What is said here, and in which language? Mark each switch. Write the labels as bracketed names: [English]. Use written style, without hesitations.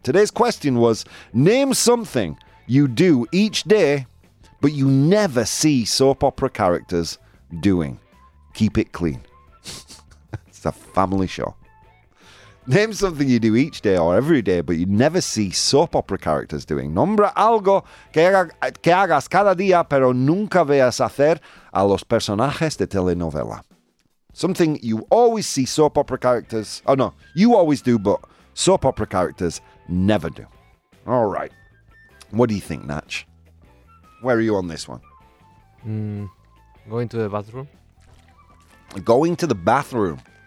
[English] Today's question was, name something you do each day, but you never see soap opera characters doing. Keep it clean. It's a family show. Name something you do each day or every day, but you never see soap opera characters doing. [Spanish] Nombra algo que hagas cada día, pero nunca veas hacer a los personajes de telenovela. [English] Something you always see soap opera characters... Oh, no. You always do, but soap opera characters never do. All right. What do you think, Natch? Where are you on this one? Going to the bathroom. Going to the bathroom.